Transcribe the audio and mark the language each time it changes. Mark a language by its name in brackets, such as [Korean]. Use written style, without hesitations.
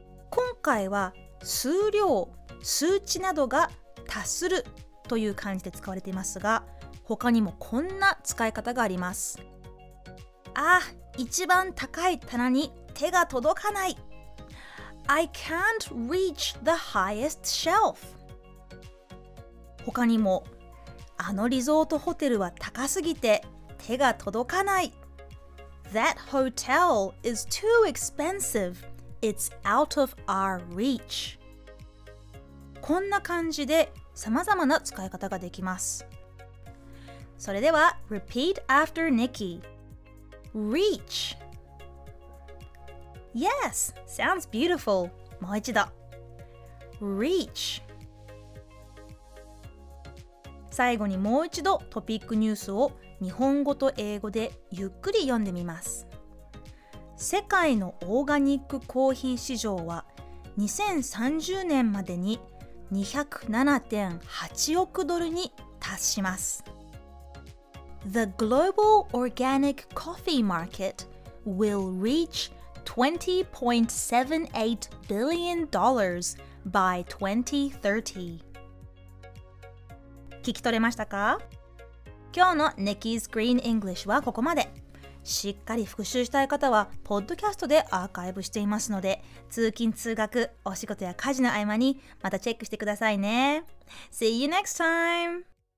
[Japanese] 今回は数量、数値などが達するという感じで使われていますが、他にもこんな使い方があります。あ、一番高い棚に手が届かない。 [English] I can't reach the highest shelf。 [Japanese] 他にも、あのリゾートホテルは高すぎて手が届かない。 [English] That hotel is too expensive. It's out of our reach。 [Japanese] こんな感じで様々な使い方ができます。それでは、 [English] repeat after Nikki. Reach. Yes, sounds beautiful. [Japanese] もう一度。 [English] Reach. [Japanese] 最後にもう一度トピックニュースを日本語と英語でゆっくり読んでみます。世界のオーガニックコーヒー市場は2030年までに 207.8 億ドルに達します。 [English] The global organic coffee market will reach $20.78 billion by 2030. [Japanese] 聞き取れましたか？今日の Nikki's Green English はここまで。しっかり復習したい方は、ポッドキャストでアーカイブしていますので、通勤通学、お仕事や家事の合間にまたチェックしてくださいね。 [English] See you next time!